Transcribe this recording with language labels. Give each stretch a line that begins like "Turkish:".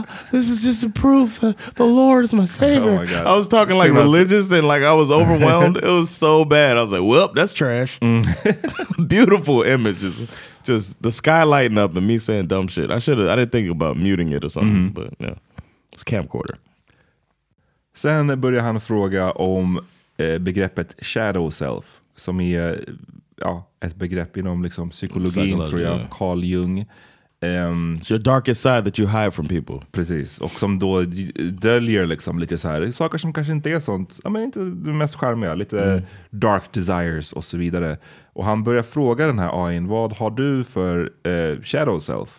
English: This is just a proof that the Lord is my savior. Oh my God. I was talking like religious and like I was overwhelmed. It was so bad. I was like, well, that's trash. Beautiful images. Just the sky lighting up and me saying dumb shit. I didn't think about muting it or something, but yeah. It's camcorder.
Swedish: Sen börjar han fråga om begreppet shadow self, som är ett begrepp inom liksom psykologin, tror jag, Carl Jung.
English: It's your darkest side that you hide from people.
Swedish: Precis, och som då döljer liksom lite så här saker som kanske inte är sånt, ja, men inte det mest charmiga, lite
English: dark desires
Swedish: och så vidare. Och han börjar fråga den här AI:n, vad har du för shadow self?